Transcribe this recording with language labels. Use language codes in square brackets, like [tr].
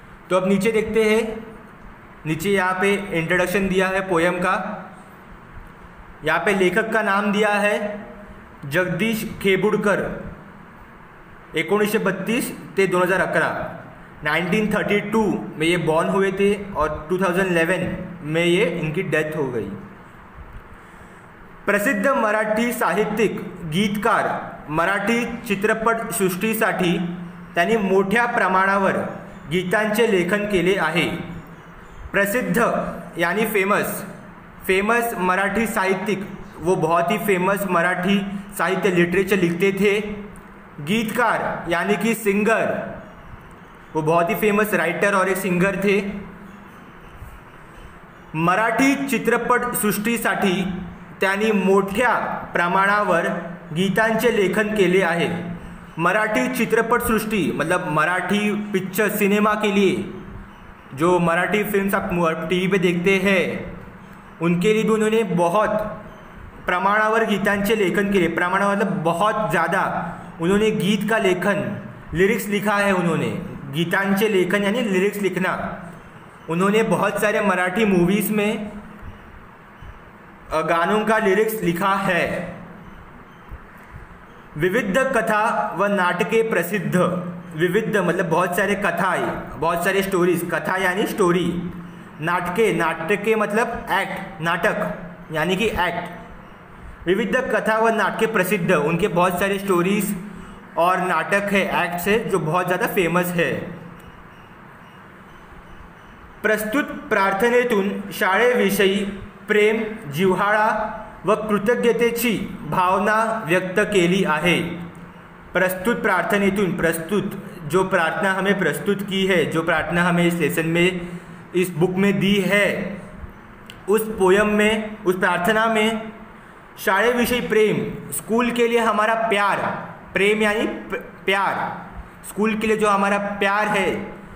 [hi] तो अब नीचे देखते हैं, नीचे यहाँ पे इंट्रोडक्शन दिया है पोयम का, यहाँ पे लेखक का नाम दिया है जगदीश खेबुड़कर, 1932 ते 2011। 1932 में ये बॉर्न हुए थे और 2011 में ये इनकी डेथ हो गई। [mr] प्रसिद्ध मराठी साहित्यिक, गीतकार, मराठी चित्रपट सृष्टीसाठी त्यांनी मोठ्या प्रमाणावर गीतांचे लेखन केले आहे। [hi] प्रसिद्ध यानी फेमस, फेमस मराठी साहित्यिक, वो बहुत ही फेमस मराठी साहित्य लिटरेचर लिखते थे। गीतकार यानी कि सिंगर, वो बहुत ही फेमस राइटर और एक सिंगर थे। [mr] मराठी चित्रपट सृष्टीसाठी त्यांनी मोठ्या प्रमाणावर गीतांचे लेखन केले आहे। [hi] मराठी चित्रपट सृष्टि मतलब मराठी पिक्चर सिनेमा के लिए, जो मराठी फिल्म्स आप टीवी पे देखते हैं उनके लिए भी उन्होंने बहुत [mr] प्रमाणावर गीतांचे लेखन केले। [hi] प्रमाणावर मतलब बहुत ज़्यादा उन्होंने गीत का लेखन, लिरिक्स लिखा है उन्होंने। गीतांचे लेखन यानी लिरिक्स लिखना। उन्होंने बहुत सारे मराठी मूवीज में गानों का लिरिक्स लिखा है। [mr] विविध कथा व नाटके प्रसिद्ध, [hi] विविध मतलब बहुत सारे कथाएं, बहुत सारे स्टोरीज, कथा यानी स्टोरी, नाटके, नाटके मतलब एक्ट, नाटक यानी कि एक्ट। [mr] विविध कथा व नाटके प्रसिद्ध, [hi] उनके बहुत सारे स्टोरीज और नाटक है, एक्ट है जो बहुत ज़्यादा फेमस है। [mr] प्रस्तुत प्रार्थनेतून शाळेविषयी प्रेम, जिव्हाळा व कृतज्ञतेची भावना व्यक्त केली आहे। प्रस्तुत प्रार्थनेतून, [hi] प्रस्तुत जो प्रार्थना हमें प्रस्तुत की है, जो प्रार्थना हमें इस लेसन में, इस बुक में दी है, उस पोयम में, उस प्रार्थना में [mr] शाळेविषयी प्रेम, [hi] स्कूल के लिए हमारा प्यार, प्रेम यानी प्यार, स्कूल के लिए जो हमारा प्यार है।